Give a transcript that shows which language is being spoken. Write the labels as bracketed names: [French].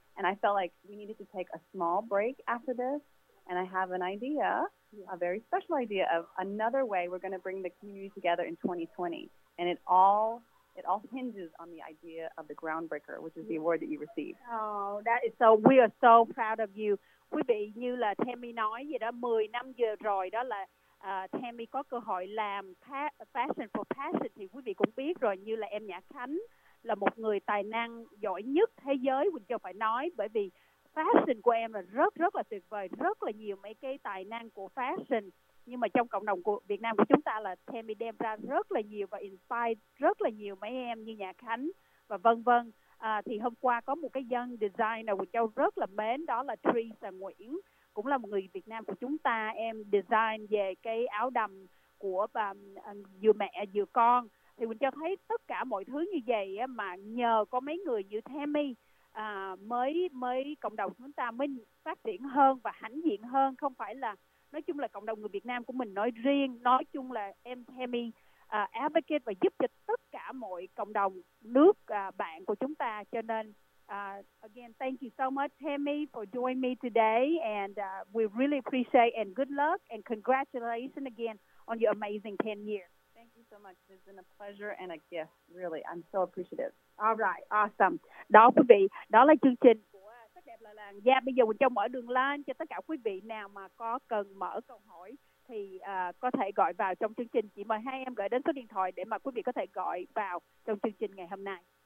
[English] And I felt like we needed to take a small break after this. And I have an idea, a very special idea of another way we're going to bring the community together in 2020. And it all hinges on the idea of the groundbreaker, which is the award that you received. We are so proud of you. [Vietnamese] Quý vị, như là Tammy nói vậy đó, 10 năm vừa rồi đó là Tammy có cơ hội làm Fashion for Passion. Thì quý vị cũng biết rồi, như là em Nhã Khánh là một người tài năng giỏi nhất thế giới, mình cho phải nói, bởi vì fashion của em là rất là tuyệt vời, rất là nhiều mấy cái tài năng của fashion. Nhưng mà trong cộng đồng của Việt Nam của chúng ta là Tammy đem ra rất là nhiều và inspire rất là nhiều mấy em như Nhã Khánh và vân vân. Thì hôm qua có một cái dân designer của Châu rất là mến, đó là Teresa Nguyễn, cũng là một người Việt Nam của chúng ta. Em design về cái áo đầm của vừa mẹ vừa con. Thì mình cho thấy tất cả mọi thứ như vậy mà nhờ có mấy người như Tammy mới cộng đồng chúng ta mới phát triển hơn và hãnh diện hơn, không phải là nói chung là cộng đồng người Việt Nam của mình nói riêng, nói chung là em Tammy advocate và giúp cho tất cả mọi cộng đồng nước bạn của chúng ta. Cho nên [English] again, thank you so much, Tammy, for joining me today, and we really appreciate and good luck and congratulations again on your amazing 10 years. Thank you so much. It's been a pleasure and a gift, really. I'm so appreciative. All right, awesome. [Vietnamese] Đó quý vị, đó là chương trình của Sắc Đẹp Là Làng. Dạ, bây giờ mình cho mở đường line cho tất cả quý vị nào mà có cần mở câu hỏi thì có thể gọi vào trong chương trình. Chỉ mời hai em gửi đến số điện thoại để mà quý vị có thể gọi vào trong chương trình ngày hôm nay.